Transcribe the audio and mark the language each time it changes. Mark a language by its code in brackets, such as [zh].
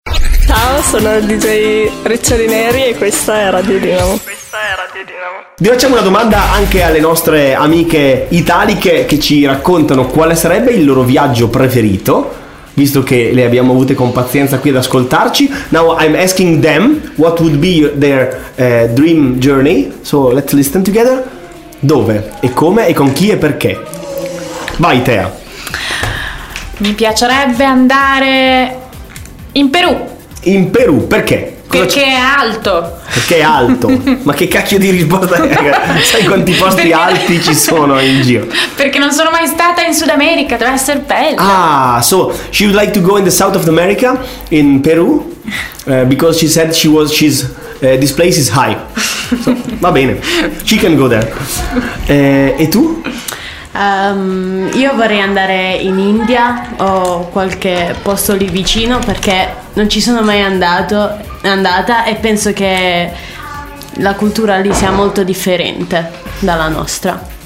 [it] Ciao, sono il DJ Riccioli Neri e questa è Radio Dinamo. Vi facciamo una domanda anche alle nostre amiche italiche che ci raccontano quale sarebbe il loro viaggio preferito, visto che le abbiamo avute con pazienza qui ad ascoltarci. [en] Now I'm asking them what would be their dream journey, so let's listen together. [it] Dove e come e con chi e perché? Vai Thea. Mi piacerebbe andare in Perù. In Perù, perché? Perché è alto. Perché è alto? Ma che cacchio di risposta è? Sai quanti posti perché... alti ci sono in giro? Perché non sono mai stata in Sud America, deve essere bello. [en] Ah, so she would like to go in the South of America, in Peru, because she said she was, she's, this place is high. So, [it] va bene, [en] she can go there. [it] E tu? Io vorrei andare in India o qualche posto lì vicino, perché non ci sono mai andata e penso che la cultura lì sia molto differente dalla nostra.